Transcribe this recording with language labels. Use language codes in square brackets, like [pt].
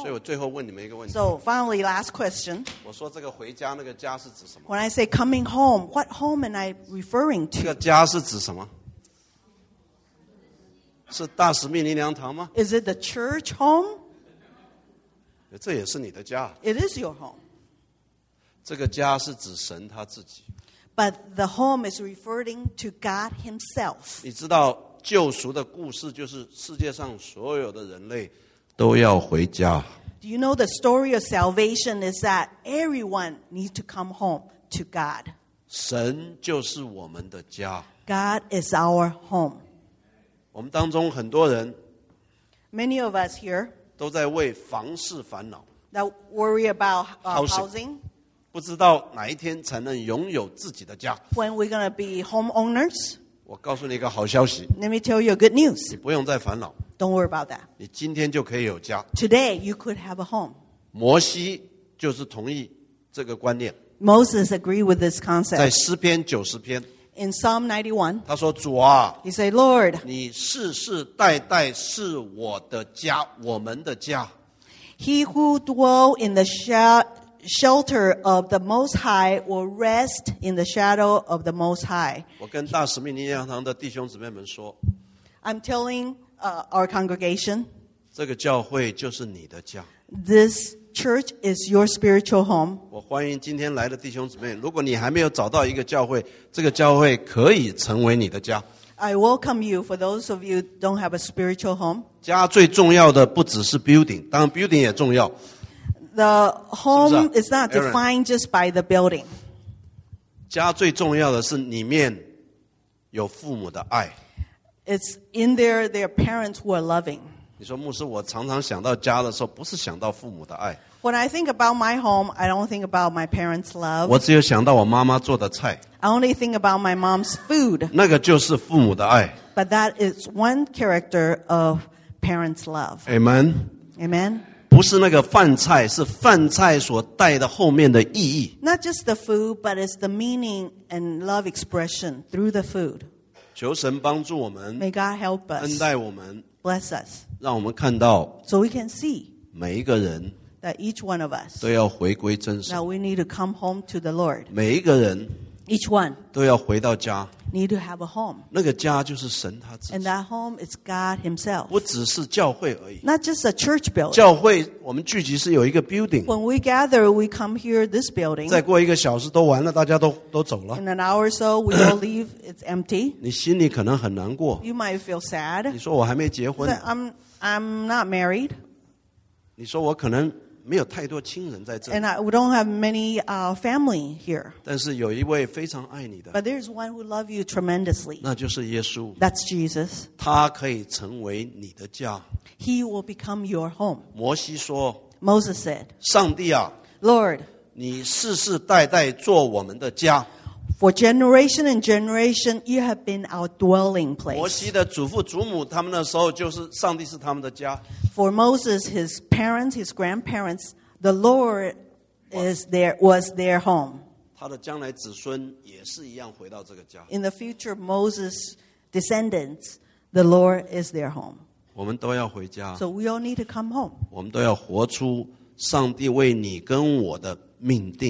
[zh] 所以我最后问你们一个问题。 [en] So finally, last question. [zh] 我说这个回家那个家是指什么？ [en] When I say coming home, what home am I referring to? [zh] 这个家是指什么？是大使命灵粮堂吗？ [en] Is it the church home? [zh] 这也是你的家。 [en] It is your home. [zh] 这个家是指神他自己。 [en] But the home is referring to God Himself. [zh] 你知道救赎的故事就是世界上所有的人类都要回家。 [en] Do you know the story of salvation is that everyone needs to come home to God? [zh] 神就是我们的家。 [en] God is our home. [zh] 我们当中很多人 [en] Many of us here [zh] 都在为房事烦恼 [en] that worry about housing. [zh] 不知道哪一天才能拥有自己的家。 [en] When we're gonna be homeowners? [zh] 我告诉你一个好消息。 [en] Let me tell you a good news. [zh] 你不用再烦恼。 [en] Don't worry about that. [zh] 你今天就可以有家。 [en] Today you could have a home. [zh] 摩西就是同意这个观念。 [en] Moses agreed with this concept. [zh] 在诗篇九十篇。 [en] In Psalm 91, [zh] 他说主啊 [en] he said, Lord, [zh] 你世世代代是我的家我们的家 [en] He who dwells in the shelter of the Most High will rest in the shadow of the Most High. [zh] 我跟大使命林洋堂的弟兄姊妹们说 [en] I'm telling our congregation, [zh] 这个教会就是你的家 [en] This church is your spiritual home. [zh] 我欢迎今天来的弟兄姊妹，如果你还没有找到一个教会，这个教会可以成为你的家。 [en] I welcome you for those of you who don't have a spiritual home. [zh] 家最重要的不只是 building, 当然 building 也重要。 [en] The home is not defined just by the building. [zh] 家最重要的是里面有父母的爱。 [en] It's in there, their parents who are loving. [zh] 你说牧师我常常想到家的时候不是想到父母的爱 [en] When I think about my home I don't think about my parents' love [zh] 我只有想到我妈妈做的菜 [en] I only think about my mom's food [zh] 那个就是父母的爱 [en] But that is one character of parents' love Amen Amen [zh] 不是那个饭菜是饭菜所带的后面的意义 [en] Not just the food but it's the meaning and love expression through the food [zh] 求神帮助我们 [en] May God help us [zh] 恩待我们 [en] Bless us [zh] 让我们看到 [en] so we can see [zh] 每一个人 [en] that each one of us [zh] 都要回归真实 [en] that we need to come home to the Lord [zh] 每一个人 [en] each one [zh] 都要回到家 [en] need to have a home [zh] 那个家就是神他自己 [en] and that home is God himself [zh] 不只是教会而已 [en] not just a church building [zh] 教会我们聚集是有一个 building [en] when we gather we come here this building [zh] 再过一个小时都完了大家都走了 [en] in an hour or so we all leave it's empty [zh] 你心里可能很难过 [en] you might feel sad [zh] 你说我还没结婚 [en] I'm not married. [zh] 你说我可能没有太多亲人在这里。 [en] And I don't have many family here. [zh] 但是有一位非常爱你的。 [en] But there's one who loves you tremendously. [zh] 那就是耶稣。 [en] That's Jesus. [zh] 他可以成为你的家。 [en] He will become your home. [zh] 摩西说。 [en] Moses said. [zh] 上帝啊。 [en] Lord. [zh] 你世世代代做我们的家。 [en] For generation and generation, you have been our dwelling place. [zh] 摩西的祖父祖母他们那时候就是上帝是他们的家。 [en] For Moses, his parents, his grandparents, the Lord was their home. [zh] 他的将来子孙也是一样回到这个家。 [en] In the future, Moses' descendants, the Lord is their home. [zh] 我们都要回家。 [en] So we all need to come home. [zh] 我们都要活出上帝为你跟我的命定。